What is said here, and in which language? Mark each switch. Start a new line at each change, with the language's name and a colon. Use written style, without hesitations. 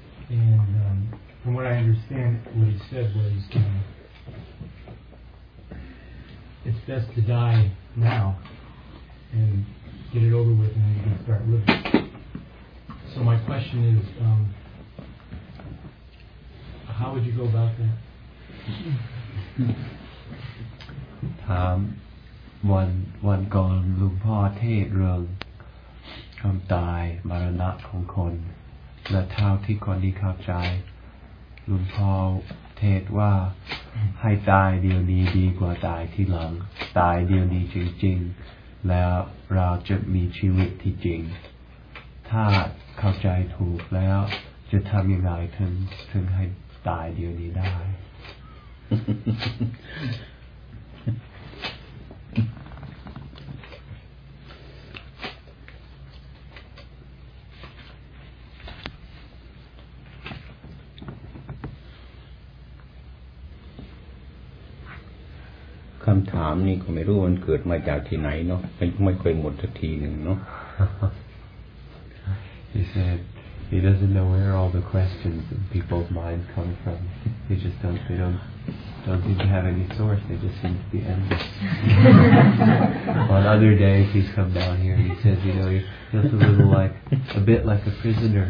English: And from what I understand, what he said was, it's best to die now and get it over with, and then you can start living. So my question is, how would you go about that?
Thai: วันก่อนลุงพ่อเทศเรื่องคำตายมรณะของคนและเท่าที่คนนี้เข้าใจลุงพ่อเทศว่าให้ตายเดี๋ยวนี้ดีกว่าตายที่หลังตายเดี๋ยวนี้จริงๆแล้วเราจะมีชีวิตที่จริงถ้าเข้าใจถูกแล้วจะทำยังไงถึงให้ตายเดี๋ยวนี้ได้ คำถามนี้ก็ไม่รู้มันเกิดมาจากที่ไหนเนาะไม่เคยหมดสักทีหนึ่งเนาะ
English: He said he doesn't know where all the questions in people's minds come from. He just don't seem to have any source. They just seem to be endless. On other days he's come down here and he says, you know, he feels a bit like a prisoner.